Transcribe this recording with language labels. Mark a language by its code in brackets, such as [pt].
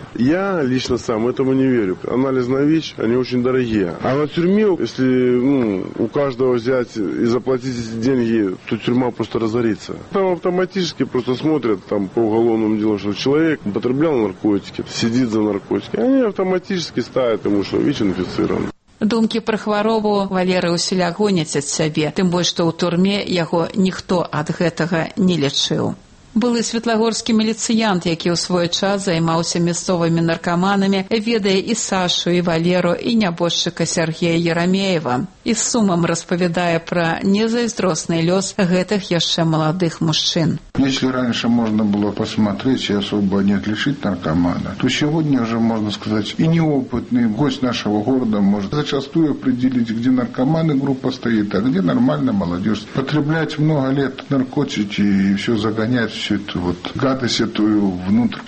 [ru] Я лично сам этому не верю. Анализ на ВИЧ, они очень дорогие. А на тюрьме, если у каждого взять и заплатить эти деньги, то тюрьма просто разорится. Там автоматически просто смотрят там, по уголовному делу, что человек употреблял наркотики, сидит за наркотики. Они автоматически ставят ему, что ВИЧ-инфицирован. [be] Думкі пра хваробу Валеры ўсіля гоняць ад сябе, тым больш, што ў турме яго ніхто ад гэтага не лічыў. Былы светлагорскі міліцыянт, які ў свой час займаўся мясцовымі наркаманамі, ведае і Сашу, і Валеру, і нябожчыка Сергея Ярамеева. І з сумам распавядае пра незайздросны лёс гэтых яшчэ маладых мужчын. [ru] Если раньше можно было посмотреть и особо не отличить наркомана, то сегодня уже, можно сказать, и неопытный гость нашего города может зачастую определить, где наркоманы группа стоит, а где нормальная молодежь. Потреблять много лет наркотики и все загонять, всю эту вот гадость эту внутрь.